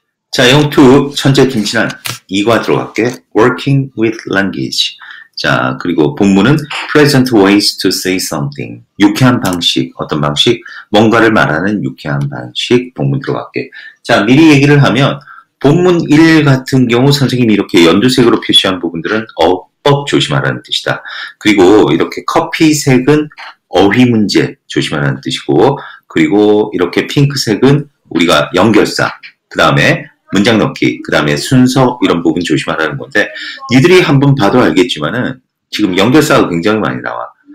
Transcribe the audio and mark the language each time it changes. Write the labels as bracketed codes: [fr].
[ko] 자, 형 2, 천재 김신환, 2과 들어갈게. [en] Working with language. [ko] 자, 그리고 본문은 [en] Pleasant ways to say something. [ko] 유쾌한 방식, 어떤 방식? 뭔가를 말하는 유쾌한 방식, 본문 들어갈게. 자, 미리 얘기를 하면 본문 1 같은 경우 선생님이 이렇게 연두색으로 표시한 부분들은 어법 조심하라는 뜻이다. 그리고 이렇게 커피색은 어휘 문제 조심하라는 뜻이고, 그리고 이렇게 핑크색은 우리가 연결사, 그 다음에 문장 넣기, 그 다음에 순서 이런 부분 조심하라는 건데, 니들이 한번 봐도 알겠지만은 지금 연결사가 굉장히 많이 나와.